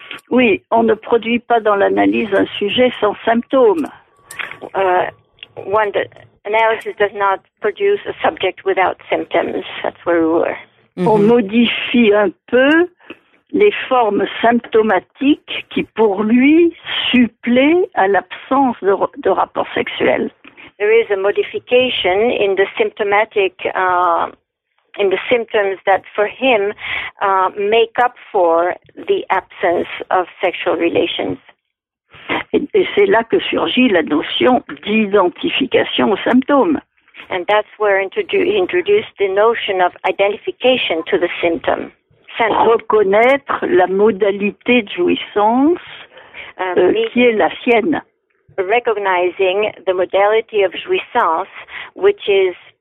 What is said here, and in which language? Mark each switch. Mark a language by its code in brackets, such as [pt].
[fr] Oui, on ne produit pas dans l'analyse un sujet sans symptômes. [en] When the analysis does not produce a subject without symptoms, that's where we were. Mm-hmm. [fr] On modifie un peu les formes symptomatiques qui, pour lui, supplaient à l'absence de rapport sexuel. [en] There is a modification in the symptomatic, in the symptoms that, for him, make up for the absence of sexual relations. [fr] Et c'est là que surgit la notion d'identification aux symptômes. [en] And that's where introduced the notion of identification to the symptom. [fr] Reconnaître la modalité de jouissance qui est la sienne. [en] Recognizing the modality of jouissance, which is